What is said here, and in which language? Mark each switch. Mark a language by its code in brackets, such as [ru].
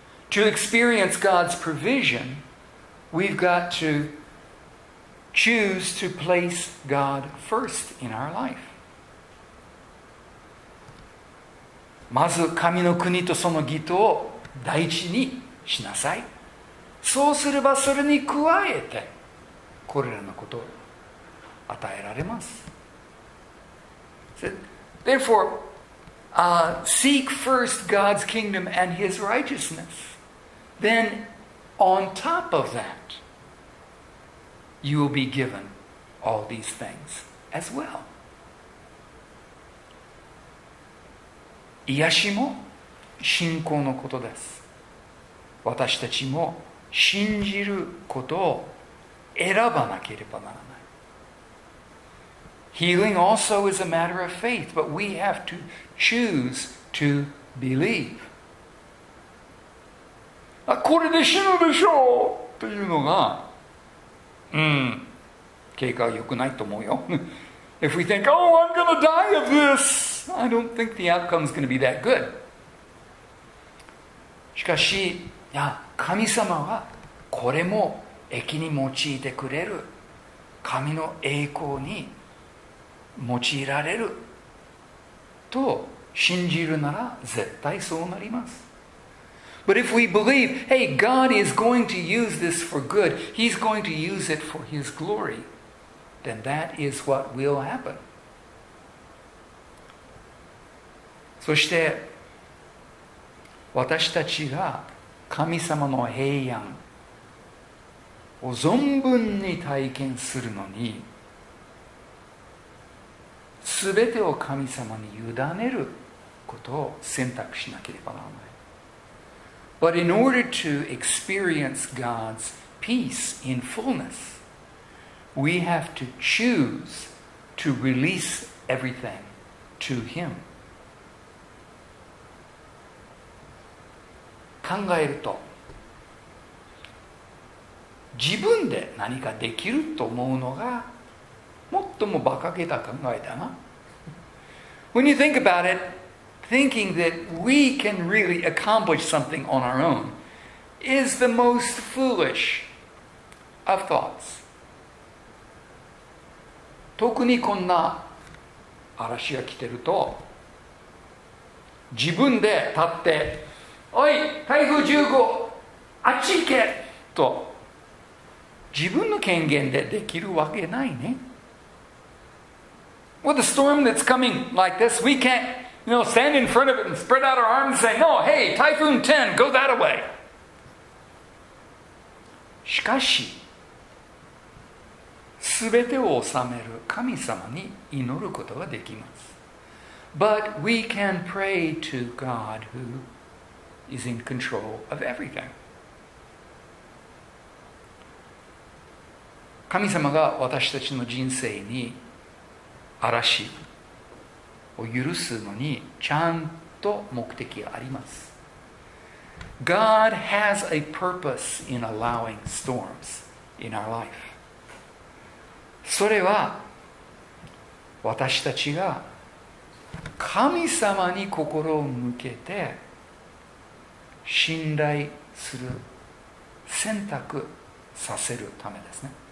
[en] To experience God's provision, we've got toChoose to place God first in our life. [ja] まず神の国とその義とを第一にしなさい。そうすればそれに加えてこれらのことを与えられます。 [en] So, therefore, seek first God's kingdom and His righteousness. Then, on top of that,You will be given all these things as well. [ja] 癒しも信仰のことです。私たちも信じることを選ばなければならない。 [en] Healing also is a matter of faith, but we have to choose to believe. [ja] あ、これで死ぬでしょうというのが経過は良くないと思うよ。 [en] If we think, oh, I'm going to die of this, I don't think the outcome is going to be that good. [ja] しかし、いや、神様はこれも益に用いてくれる、神の栄光に用いられると信じるなら絶対そうなります。 [en] But if we believe, hey, God is going to use this for good, He's going to use it for His glory, then that is what will happen. [ja] そして私たちが神様の平安を存分に体験するのに、すべてを神様に委ねることを選択しなければならない。 [en] But in order to experience God's peace in fullness, we have to choose to release everything to Him. [ja] 考えると、自分で何かできると思うのが最も馬鹿げた考えだな。 [en] When you think about it,Thinking that we can really accomplish something on our own is the most foolish of thoughts. [ja] 特にこんな嵐が来てると、自分で立って、おい、台風15、あっち行けと、自分の権限でできるわけないね。 [en] With a storm that's coming like this, we can't. You know, stand in front of it and spread out our arms and say, No, hey, Typhoon 10, go that away. [ja] しかし、すべてを治める神様に祈ることができます。 [en] But we can pray to God who is in control of everything. [ja] 神様が私たちの人生に嵐を許すのにちゃんと目的があります。 [en] God has a purpose in allowing storms in our life. [ja] それは私たちが神様に心を向けて信頼する選択させるためですね。